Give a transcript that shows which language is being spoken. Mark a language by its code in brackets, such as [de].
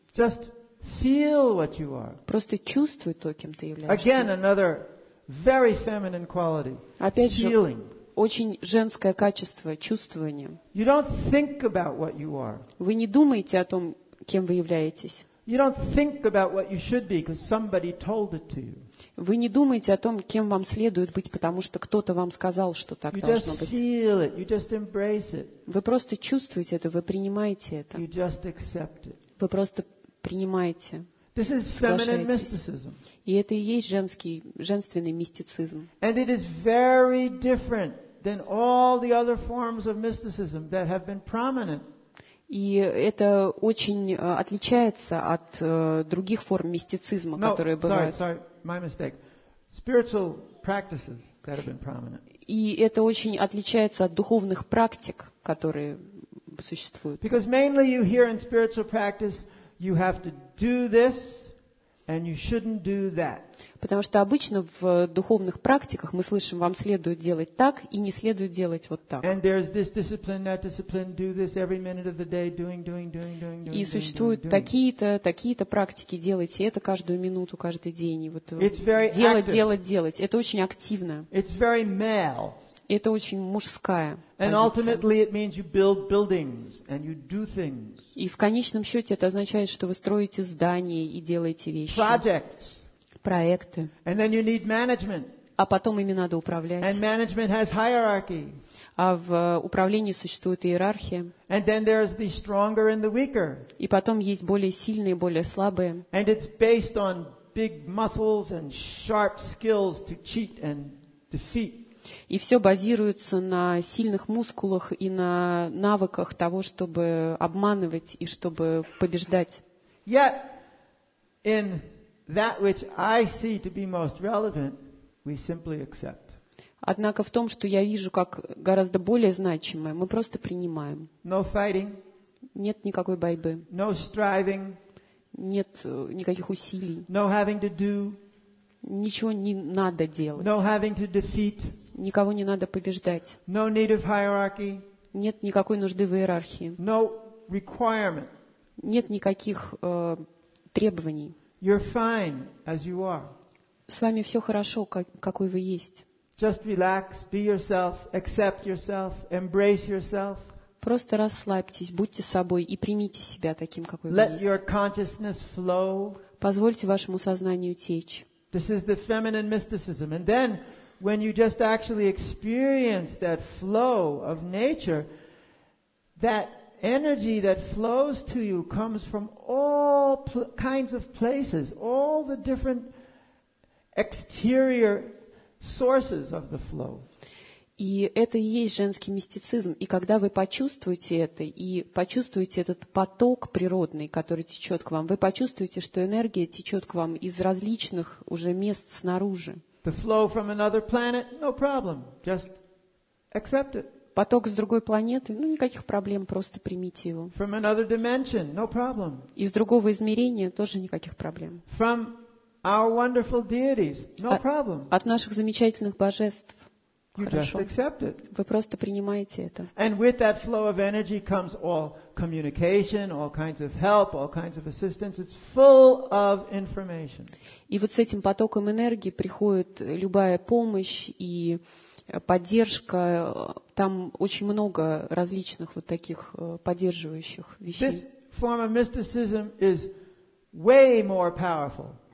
[en] Just feel what you are. [ru] Просто чувствуй то, кем ты являешься. [en] Again, another very feminine quality. [ru] Опять же, очень женское качество чувствования. [en] You don't think about what you are. [ru] Вы не думаете о том, кем вы являетесь. [en] You don't think about what you should be because somebody told it to you. [ru] Вы не думаете о том, кем вам следует быть, потому что кто-то вам сказал, что так должно быть. [en] You just feel it. You just embrace it. [ru] Вы просто чувствуете это, вы принимаете это. [en] You just accept it. [ru] Вы просто принимаете. [en] This is feminine mysticism. [ru] И это и есть женственный мистицизм. [en] And it is very different than all the other forms of mysticism that have been prominent. [ru] И это очень отличается от других форм мистицизма, которые бывают. [en] Sorry, my mistake. Spiritual practices that have been prominent. [ru] И это очень отличается от духовных практик, которые существуют. [en] Because mainly you hear in spiritual practice you have to do this and you shouldn't do that. [ru] Потому что обычно в духовных практиках мы слышим, вам следует делать так и не следует делать вот так. [en] And there's this discipline, that discipline, do this every minute of the day, doing. [ru] И существуют такие-то практики, делайте это каждую минуту, каждый день. И вот делать. Это очень активно. [en] It's very male. [ru] Это очень мужская позиция. [en] And ultimately it means you build buildings and you do things. [ru] И в конечном счете это означает, что вы строите здания и делаете вещи. [en] Projects. [ru] Проекты. [en] And then you need management. [ru] А потом ими надо управлять. [en] And management has hierarchy. [ru] А в управлении существует иерархия. [en] And then there is the stronger and the weaker. [ru] И потом есть более сильные, более слабые. [en] And it's based on big muscles and sharp skills to cheat and defeat. [ru] И все базируется на сильных мускулах и на навыках того, чтобы обманывать и чтобы побеждать. [en] Yet, in that which I see to be most relevant, we simply accept. [ru] Однако в том, что я вижу как гораздо более значимое, мы просто принимаем. [en] No fighting. [ru] Нет никакой борьбы. [en] No striving. [ru] Нет никаких усилий. [en] No having to do. [ru] Ничего не надо делать. [en] No having to defeat. [ru] Никого не надо побеждать. [en] No need of hierarchy. [ru] Нет никакой нужды в иерархии. [en] No requirement. [ru] Нет никаких требований. [en] You're fine as you are. [ru] С вами все хорошо, какой вы есть. [en] Just relax, be yourself, accept yourself, embrace yourself. [ru] Просто расслабьтесь, будьте собой и примите себя таким, какой вы [en] Let [ru] есть. [en] Let your consciousness flow. [ru] Позвольте вашему сознанию течь. [en] This is the feminine mysticism, and then when you just actually experience that flow of nature, that energy that flows to you comes from all kinds of places, all the different exterior sources of the flow. [ru] И это и есть женский мистицизм. И когда вы почувствуете это, и почувствуете этот поток природный, который течет к вам, вы почувствуете, что энергия течет к вам из различных уже мест снаружи. [en] The flow from another planet, no problem. Just accept it. [ru] Поток с другой планеты, ну никаких проблем, просто примите его. [en] From another dimension, no problem. [ru] Из другого измерения тоже никаких проблем. [en] From our wonderful deities, no problem. [ru] От наших замечательных божеств. Хорошо. Вы просто принимаете это. [en] And with that flow of energy comes all communication, all kinds of help, all kinds of assistance. It's full of information. [ru] И вот с этим потоком энергии приходит любая помощь и поддержка. Там очень много различных вот таких поддерживающих вещей. [en] This form of mysticism is way more powerful.